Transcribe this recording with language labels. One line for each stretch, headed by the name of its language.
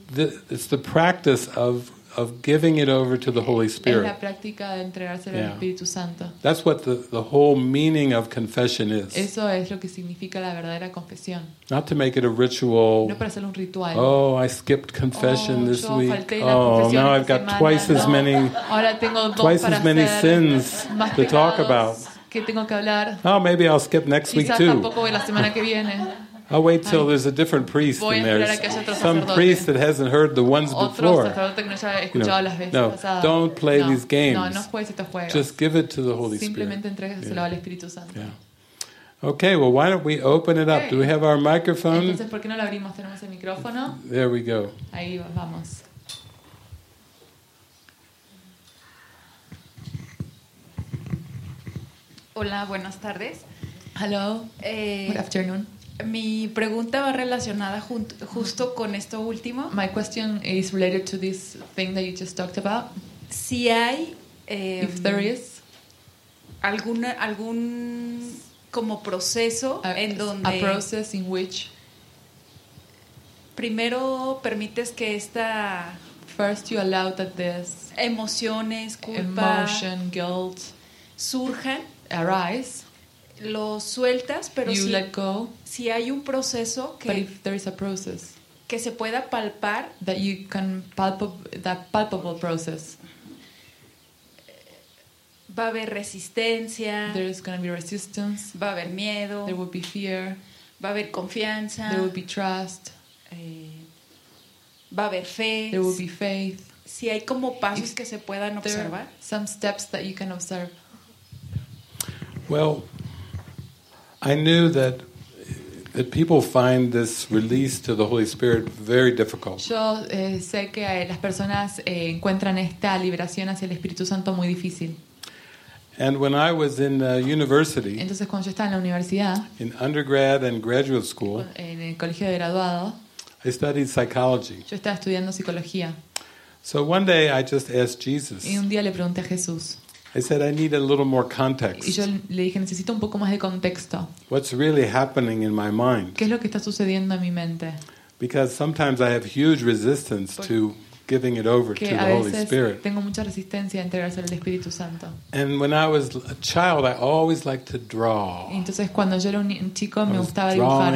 English: It's the practice of giving it over to the Holy Spirit.
Spanish: Es la práctica de entregárselo al Espíritu Santo.
English: That's what the whole meaning of confession is.
Spanish: Eso es lo que significa la verdadera confesión.
English: Not to make it a ritual.
Spanish: No para hacerlo un ritual.
English: Oh, I skipped confession this week. Oh, now I've got twice as many twice as many sins to talk about.
Spanish: ¿Qué tengo que hablar?
English: Oh, maybe I'll skip next week too.
Spanish: Quizás tampoco voy la semana que viene.
English: I'll wait till there's a different priest in there. Some priest that hasn't heard the ones before. No, don't play these games.
Spanish: No, no juegues estos juegos.
English: Just give it to the Holy Spirit.
Spanish: Simplemente entrégaselo al Espíritu Santo.
English: Yeah. Okay, well, why don't we open it up? Do we have our microphone?
Spanish: Entonces, ¿por qué no lo abrimos? ¿Tenemos el micrófono?
English: There we go.
Spanish: Ahí vamos. Hola, buenas tardes.
English: Hello. Good afternoon.
Spanish: Mi pregunta va relacionada justo con esto último.
English: My question is related to this thing that you just talked about.
Spanish: Si hay
English: if there is
Spanish: algún como proceso en donde
English: a process in which
Spanish: primero permites que esta
English: first you allow that this
Spanish: emociones, culpa,
English: emotion, guilt
Spanish: surjan,
English: arise.
Spanish: Lo sueltas, pero
English: you
Spanish: si
English: let go,
Spanish: si hay un proceso que
English: but if there is a process,
Spanish: que se pueda palpar
English: that you can that palpable process,
Spanish: va a haber resistencia,
English: there is going to be resistance,
Spanish: va a haber miedo,
English: there will be fear,
Spanish: va a haber confianza,
English: there will be trust,
Spanish: va a haber fe,
English: there will be faith,
Spanish: si hay como pasos que se puedan observar,
English: there are some steps that you can observe. Well, I knew that people find this release to the Holy Spirit very difficult.
Spanish: Yo sé que las personas encuentran esta liberación hacia el Espíritu Santo muy difícil.
English: And when I was in university,
Spanish: entonces cuando yo estaba en la universidad,
English: in undergrad and graduate school,
Spanish: en el colegio de graduado,
English: I studied psychology.
Spanish: Yo estaba estudiando psicología.
English: So one day I just asked Jesus.
Spanish: Y un día le pregunté a Jesús.
English: I said I need a little more context.
Spanish: Y yo le dije, necesito un poco más de contexto.
English: What's really happening in my mind?
Spanish: ¿Qué es lo que está sucediendo en mi mente?
English: Because sometimes I have huge resistance to giving it over to the Holy Spirit.
Spanish: Tengo mucha resistencia a entregárselo al Espíritu Santo.
English: And when I was a child, I always liked to draw.
Spanish: Entonces cuando yo era un chico me gustaba dibujar.